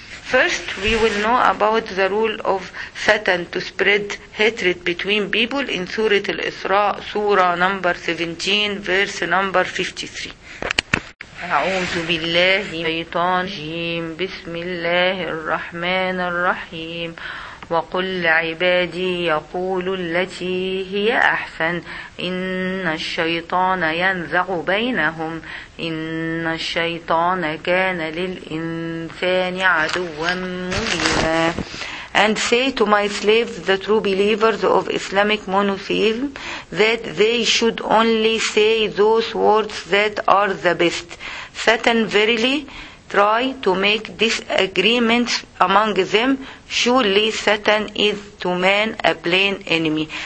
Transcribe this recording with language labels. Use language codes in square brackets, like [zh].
[en] First, we will know about the rule of Satan to spread hatred between people in Surah Al-Isra, Surah number 17, verse number 53. [ar] أعوذ بالله من الشيطان الرجيم بسم الله الرحمن الرحيم وقل لعبادي يقولوا التي هي أحسن إن الشيطان ينزغ بينهم إن الشيطان كان للإنسان عدوا مبينا. [en] And say to my slaves, the true believers of Islamic monotheism, that they should only say those words that are the best. Satan verily try to make disagreements among them, Surely Satan is to man a plain enemy.